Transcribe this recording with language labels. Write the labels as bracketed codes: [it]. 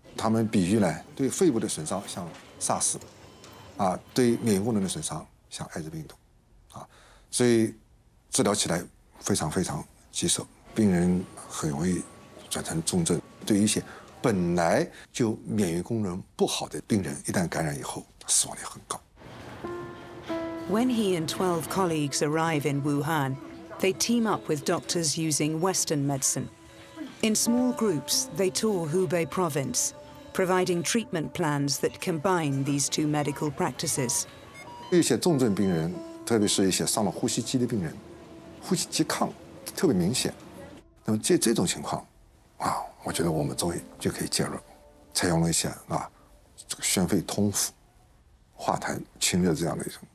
[zh] 他们比喻呢，对肺部的损伤像 SARS， 啊，对免疫功能的损伤像艾滋病毒，啊，所以治疗起来非常非常棘手，病人很容易转成重症。对于一些本来就免疫功能不好的病人，一旦感染以后，死亡率很高。 [en] When he and 12 colleagues arrive in Wuhan, they team up with doctors using Western medicine. In small groups, they tour Hubei province, providing treatment plans that combine these two medical practices. [zh] 一些重症病人，特别是一些上了呼吸机的病人，呼吸机亢特别明显。那么这种情况，啊，我觉得我们中医就可以介入，采用了一些啊，这个宣肺通腑、化痰清热这样的一种。